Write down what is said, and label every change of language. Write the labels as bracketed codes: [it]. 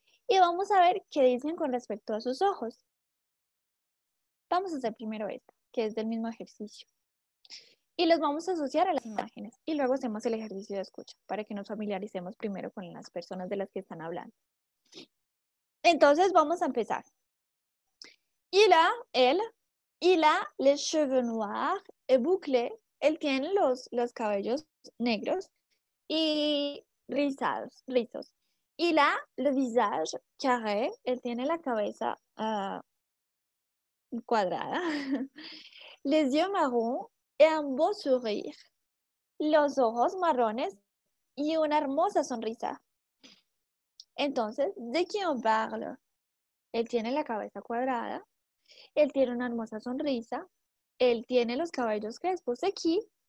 [es] y vamos a ver qué dicen con respecto a sus ojos. Vamos a hacer primero esta, que es del mismo ejercicio. Y los vamos a asociar a las imágenes. Y luego hacemos el ejercicio de escucha para que nos familiaricemos primero con las personas de las que están hablando. Entonces vamos a empezar. [fr] Il a, él, il a les cheveux noirs et bouclés. [es] Él tiene los cabellos negros y rizos. [fr] Il a le visage carré. [es] Él tiene la cabeza cuadrada. [fr] Les yeux marrons et un beau sourire. [es] Los ojos marrones y una hermosa sonrisa. Entonces, ¿de quién habla? Él tiene la cabeza cuadrada. Él tiene una hermosa sonrisa. Él tiene los cabellos crespos. ¿De quién?